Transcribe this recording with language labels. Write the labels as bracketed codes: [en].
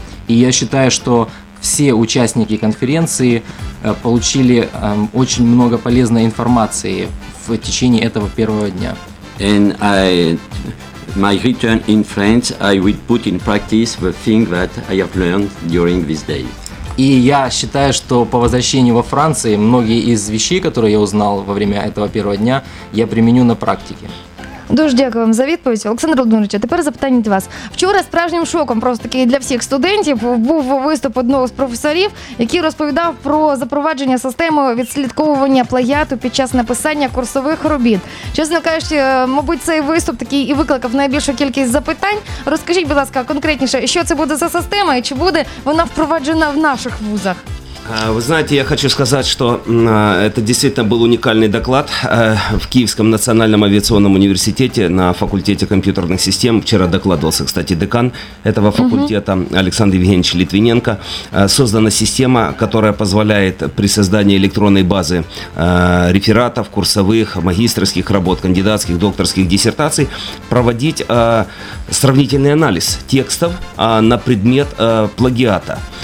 [ru] И я считаю, что все участники конференции получили очень много полезной информации в течение этого первого дня. [en] And my return in France, I will put in practice the thing that I have learned during this day. [ru] И я считаю, что по возвращению во Франции многие из вещей, которые я узнал во время этого первого дня, я применю на практике. [uk] Дуже дякую вам за відповідь. Олександр Володимирович, а тепер запитання до вас. Вчора справжнім шоком просто таки для всіх студентів був виступ одного з професорів, який розповідав про запровадження системи відслідковування плагіату під час написання курсових робіт. Чесно кажучи, мабуть, цей виступ такий і викликав найбільшу кількість запитань. Розкажіть, будь ласка, конкретніше, що це буде за система і чи буде вона впроваджена в наших вузах? [ru] Вы знаете, я хочу сказать, что это действительно был уникальный доклад в Киевском национальном авиационном университете на факультете компьютерных систем. Вчера докладывался, кстати, декан этого факультета Александр Евгеньевич Литвиненко. Создана система, которая позволяет при создании электронной базы рефератов, курсовых, магистерских работ, кандидатских, докторских диссертаций проводить сравнительный анализ текстов на предмет плагиата.